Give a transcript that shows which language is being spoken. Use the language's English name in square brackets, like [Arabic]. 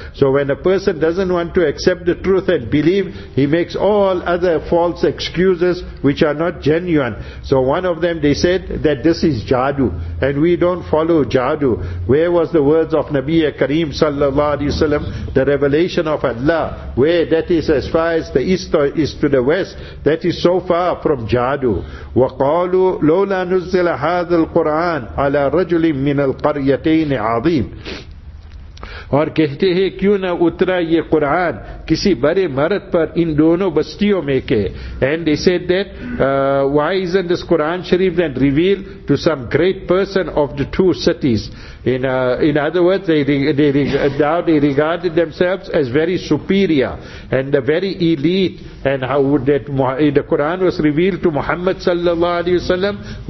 [English] So when a person doesn't want to accept the truth and believe, he makes all other false excuses which are not genuine. So one of them, they said that this is jadu, and we don't follow jadu. Where was the words of Nabi Kareem sallallahu alayhi wa sallam, the revelation of Allah, where that is as far as the east is to the west, that is so far from jadu. [Arabic] وَقَالُوا لَوْلَا نُزِّلَ هَذَا الْقُرْآنَ عَلَىٰ رَجُلٍ مِّنَ الْقَرْيَتَيْنِ عَظِيمٍ [Urdu] اور کہتے ہیں کیوں نہ اترا یہ قرآن کسی بڑے مرد پر ان دونوں بستیوں میں کے. [English] And they said that why isn't this Quran Sharif then revealed to some great person of the two cities? In other words, they regarded themselves as very superior and the very elite. And how would that the Quran was revealed to Muhammad sallallahu alaihi wasallam?